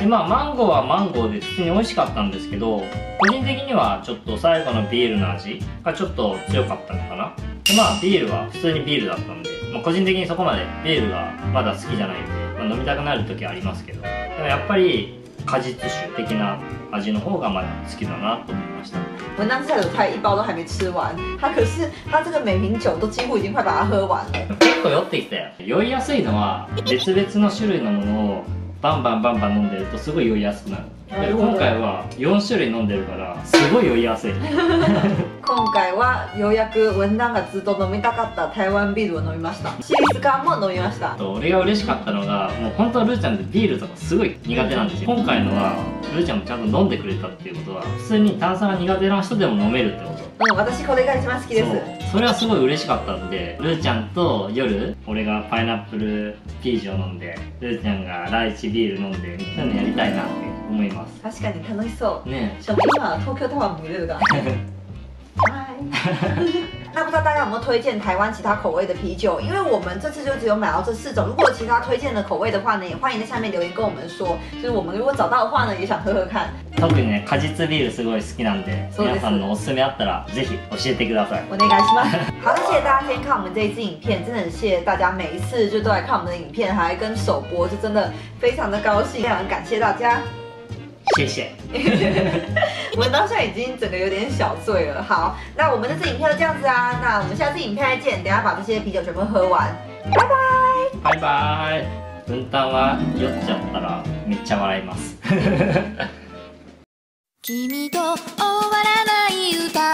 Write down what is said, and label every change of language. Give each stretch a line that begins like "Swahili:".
Japanese: で、まあマンゴーはマンゴーで普通に美味しかったんですけど、個人的にはちょっと最後のビールの味がちょっと強かったのかな。で、まあビールは普通にビールだったんで、まあ、個人的にそこまでビールがまだ好きじゃないんで、まあ、飲みたくなる時はありますけど、でもやっぱり果実酒的な味の方がまだ好きだなと思いました。
Chinese: 文章下的菜一包都还没吃完，他可是他这个每瓶酒都几乎已经快把它喝完了。
Japanese: 結構酔ってきたよ。酔いやすいのは別々の種類のものをバンバンバンバン飲んでるとすごい酔いやすくなる。で、今回は4種類飲んでるからすごい酔いやすい。今回はようやく文章がずっと飲みたかった台湾ビールを飲みました。シリーズ缶も飲みました。俺が嬉しかったのが、もう本当はルーちゃんってビールとかすごい苦手なんですよ。今回のはルーちゃんもちゃんと飲んでくれたっていうことは、普通に炭酸が苦手な人でも飲めるってこと。私これが一番好きです。それはすごい嬉しかったんで、ルーちゃんと夜俺がパイナップルピーチを飲んで、ルーちゃんがライチビール飲んで、みたいなのやりたいなって思います。確かに楽しそうね。しかも今は東京タワーも見れるから。
Chinese: 那不知道大家有没有推荐台湾其他口味的啤酒？因为我们这次就只有买到这四种。如果其他推荐的口味的话呢，也欢迎在下面留言跟我们说。就是我们如果找到的话呢，也想喝喝看。
Japanese: 特にね、果実ビールすごい好きなんで、皆さんのおすすめあったらぜひ教えてください。お願いします。
Chinese: 好的，谢谢大家今天看我们这一次影片，真的很谢谢大家每一次就都来看我们的影片，还跟首播，就真的非常的高兴，非常感谢大家。谢谢。我当下已经整个有点小醉了。好，那我们这次影片就这样子啊，那我们下次影片再见。等一下把这些啤酒全部喝完，拜拜。拜拜。
Japanese: 文旦は酔っちゃったらめっちゃ笑います。君と終わらない歌。